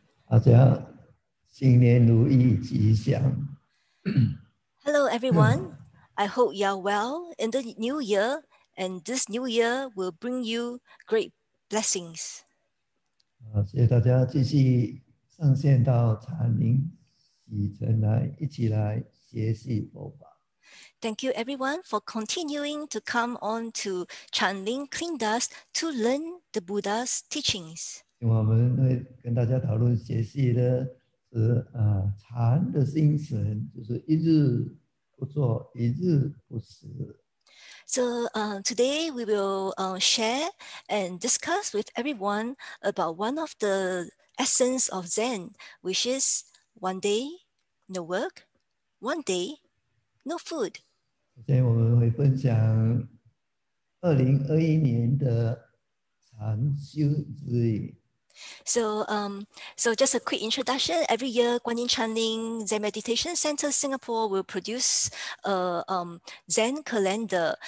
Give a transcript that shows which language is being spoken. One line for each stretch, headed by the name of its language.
Chinese: 大家新年如意，吉祥。
English: Hello, everyone. I hope you are well in the new year. And this new year will bring you great blessings.
Chinese: 谢谢大家继续上线到禅林，以诚来一起来学习佛法。
English: Thank you everyone for continuing to come on to Chan Ling Clean Dust to learn the Buddha's teachings.
Chinese: 我们会跟大家讨论学习的是禅的精神，就是一日不做，一日不食。
English: So today we will share and discuss with everyone about one of the essence of Zen, which is one day no work, one day no food.
Chinese: 今天我们会分享2021年的禅修之旅。
English: So just a quick introduction. Every year, Guanyin Chanling Zen Meditation Center Singapore will produce a Zen calendar.